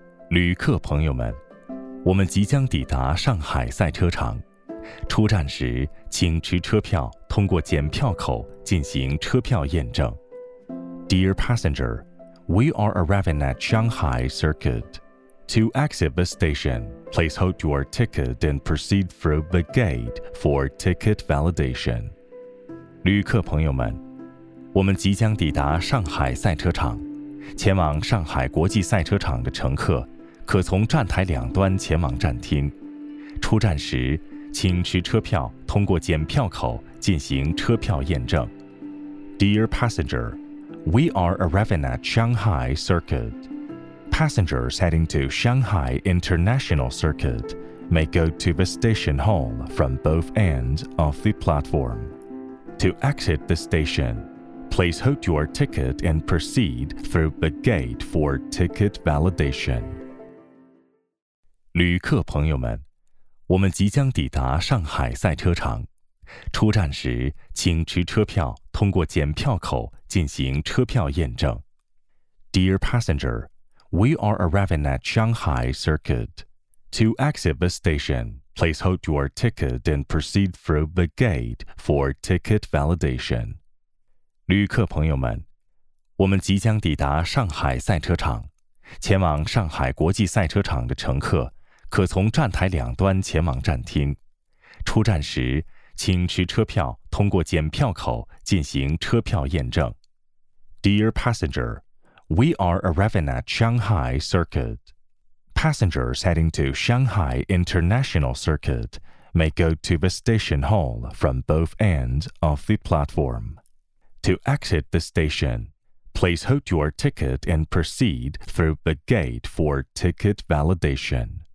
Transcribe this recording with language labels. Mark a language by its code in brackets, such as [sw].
[zh] 旅客朋友们，我们即将抵达上海赛车场，出站时请持车票通过检票口进行车票验证。 [en] Dear passenger, we are arriving at Shanghai Circuit. To exit the station, please hold your ticket and proceed through the gate for ticket validation. [zh] 旅客朋友们，我们即将抵达上海赛车场，前往上海国际赛车场的乘客可从站台两端前往站厅。出站时请持车票通过检票口进行车票验证。 [en] Dear passenger, we are arriving at Shanghai Circuit. Passengers heading to Shanghai International Circuit may go to the station hall from both ends of the platform. To exit the station, please hold your ticket and proceed through the gate for ticket validation. [zh] 旅客朋友们，我们即将抵达上海赛车场，出站时请持车票通过检票口进行车票验证。 [en] Dear passenger, we are arriving at Shanghai Circuit. To exit the station, please hold your ticket and proceed through the gate for ticket validation. [zh] 旅客朋友们，我们即将抵达上海赛车场，前往上海国际赛车场的乘客可从站台两端前往站厅。出站时请持车票通过检票口进行车票验证。 [en] Dear passenger, we are arriving at Shanghai Circuit. Passengers heading to Shanghai International Circuit may go to the station hall from both ends of the platform. To exit the station, please hold your ticket and proceed through the gate for ticket validation.